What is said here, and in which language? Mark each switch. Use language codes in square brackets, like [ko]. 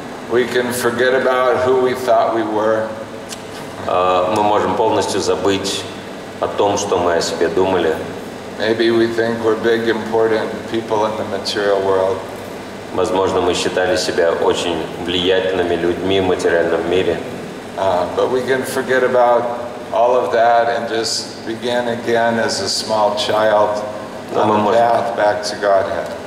[en] We can forget about who we thought we were. [ru] Мы можем полностью забыть о том, что мы о себе думали. [en] Maybe we think we're big, important people in the material world. [ru] Возможно, мы считали себя очень влиятельными людьми в материальном мире. [en] But we can forget about all of that and just begin again as a small child on the path back to Godhead.